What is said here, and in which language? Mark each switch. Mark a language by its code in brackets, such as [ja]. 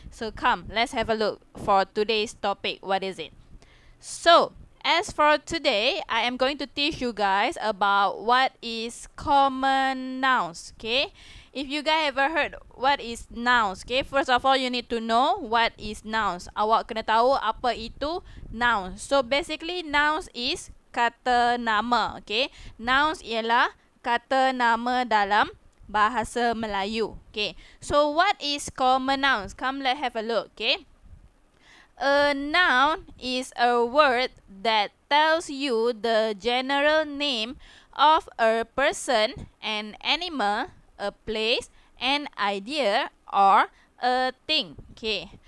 [en] So come, let's have a look for today's topic. What is it? So as for today, I am going to teach you guys about what is common nouns, okay? If you guys ever heard what is nouns, okay? First of all, you need to know what is nouns. [ms] Awak kena tahu apa itu nouns. [en] So basically, nouns is kata nama, okay? [ms] Nouns ialah kata nama dalam bahasa Melayu, okay? [en] So what is common nouns? Come, let's have a look, okay? A noun is a word that tells you the general name of a person, an animal, a place, an idea, or a thing. Okay.